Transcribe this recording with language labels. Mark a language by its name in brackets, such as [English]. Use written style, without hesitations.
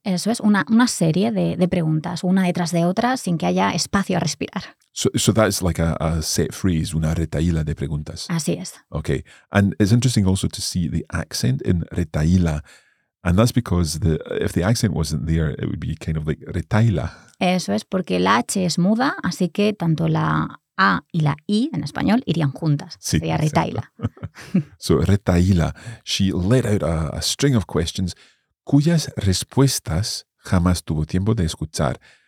[Spanish] Eso es, una serie de preguntas, una detrás de otra, sin que haya espacio a respirar. [English] So that's like a set phrase, [Spanish] una retahíla de preguntas. Así es. [English] Okay, and it's interesting also to see the accent in retahíla. And that's because if the accent wasn't there, it would be kind of like retahíla. [Spanish] Eso es, porque la H es muda, así que tanto la A y la I en español irían juntas. Sí, sería retahíla. [English] So, retahíla. She let out a string of questions [Spanish] cuyas respuestas jamás tuvo tiempo de escuchar.